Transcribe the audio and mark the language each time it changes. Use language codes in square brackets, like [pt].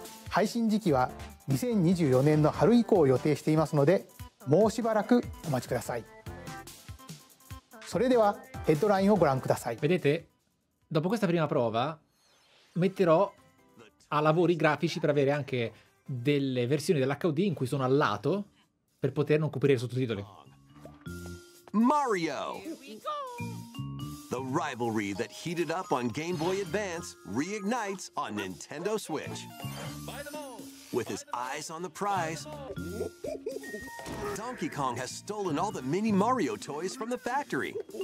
[ja] 配信時期は2024年の春以降を予定していますので、もうしばらくお待ちください。それではヘッドラインをご覧ください。 [it] Vedete? Dopo questa prima prova, metterò a lavori grafici per avere anche delle versioni dell'HD in cui sono al lato per poter non coprire i sottotitoli. [en] Mario! Here we go! The rivalry that heated up on Game Boy Advance reignites on Nintendo Switch. With his eyes on the prize, Donkey Kong has stolen all the mini Mario toys from the factory.